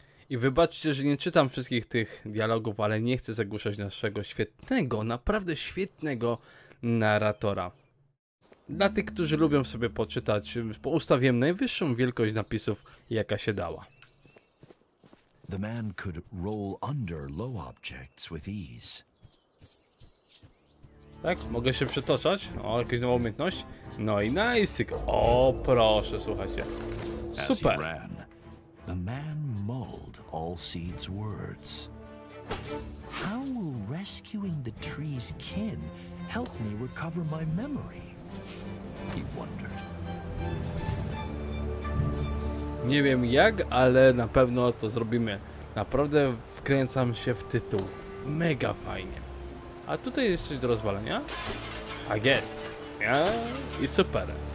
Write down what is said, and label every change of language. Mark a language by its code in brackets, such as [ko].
[pl] I wybaczcie, że nie czytam wszystkich tych dialogów, ale nie chcę zagłuszać naszego świetnego, naprawdę świetnego narratora. Dla tych, którzy lubią sobie poczytać, poustawiłem najwyższą wielkość napisów, jaka się dała. [en] The man could roll under low objects with ease. [pl] Tak, mogę się przetoczać. O, jakieś nowe umiejętności. No i najsyk. O, proszę, słuchajcie. Super. [en] The man mulled all seeds' words. How will rescuing the tree's kin help me recover my memory? He wondered. [pl] Nie wiem jak, ale na pewno to zrobimy. Naprawdę wkręcam się w tytuł. Mega fajnie. A tutaj jest coś do rozwalenia? Tak jest. Ja? I super.